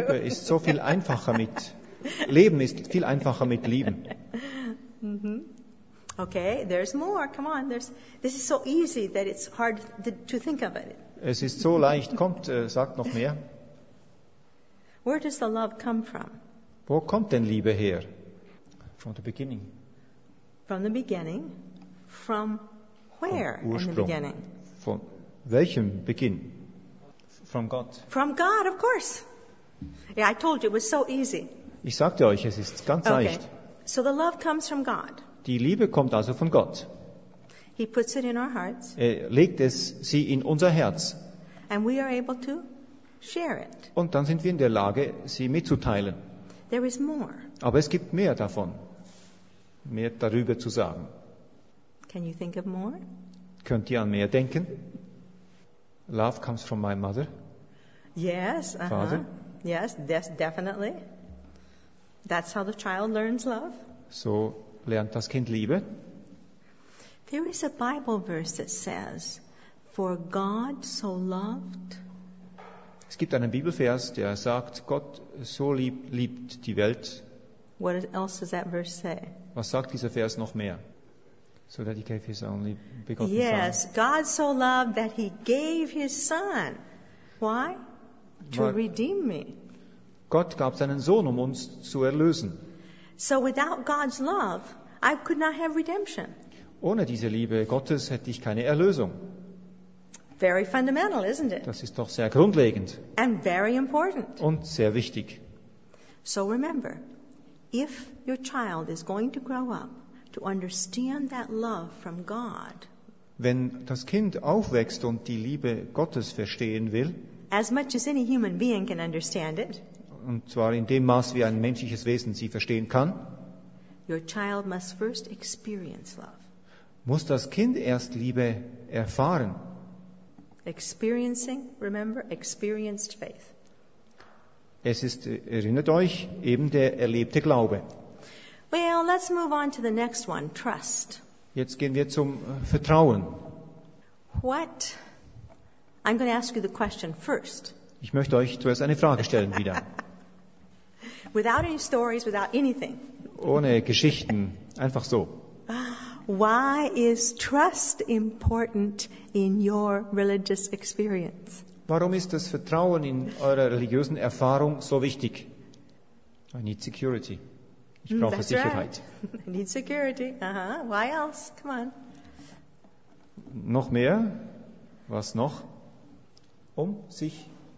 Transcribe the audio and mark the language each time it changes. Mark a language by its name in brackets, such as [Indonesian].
[German] Liebe ist so viel einfacher mit Leben ist viel einfacher mit Lieben. [English] Mm-hmm. Okay, there's more. Come on, this is so easy that it's hard to think of it. [German] Es ist so leicht. Kommt, sagt noch mehr. [English] Where does the love come from? [German] Wo kommt denn Liebe her? [English] From the beginning. From the beginning. From where [German] Vom Ursprung. [English] In the beginning? [German] Von welchem Beginn? [English] From God. From God, of course. Yeah, I told you it was so easy. [German] Ich sagte euch, es ist ganz leicht. [English] So the love comes from God. [German] Die Liebe kommt also von Gott. [English] He puts it in our hearts. [German] Er legt es sie in unser Herz. [English] And we are able to share it. [German] Und dann sind wir in der Lage, sie mitzuteilen. [English] There is more. [German] Aber es gibt mehr davon, mehr darüber zu sagen. [English] Can you think of more? [German] Könnt ihr an mehr denken? [English] Love comes from my mother. Yes, Father. Yes, definitely. That's how the child learns love. [German] So lernt das Kind Liebe. [English] There is a Bible verse that says, "For God so loved." [German] Es gibt einen Bibelvers, der sagt, Gott so liebt die Welt. [English] What else does that verse say? [German] Was sagt dieser Vers noch mehr? [English] So that he gave his only begotten son. Yes, God so loved that he gave his son. Why? To redeem me. [German] Gott gab seinen Sohn, um uns zu erlösen. [English] So without God's love, I could not have redemption. [German] Ohne diese Liebe Gottes hätte ich keine Erlösung. [English] Very fundamental, isn't it? [German] Das ist doch sehr grundlegend. [English] And very important. [German] Und sehr wichtig. [English] So remember, if your child is going to grow up to understand that love from God, [German] wenn das Kind aufwächst und die Liebe Gottes verstehen will, [English] as much as any human being can understand it, [German] und zwar in dem Maß, wie ein menschliches Wesen sie verstehen kann, [English] your child must first experience love. [German] Muss das Kind erst Liebe erfahren. [English] Experiencing, remember, experienced faith. [German] Es ist, erinnert euch, eben der erlebte Glaube. [English] Well, let's move on to the next one, trust. [German] Jetzt gehen wir zum Vertrauen. [English] What? I'm going to ask you the question first. [German] Ich möchte euch zuerst eine Frage stellen wieder. [English] Without any stories, without anything. [German] Ohne Geschichten, einfach so. [English] Why is trust important in your religious experience? [German] Warum ist das Vertrauen in eurer religiösen Erfahrung so wichtig? [English] I need security. [German] Ich brauche [English] That's [German] Sicherheit. [English] Right. I need security. Uh-huh. Why else? Come on. [German] Noch mehr? Was noch? Um sich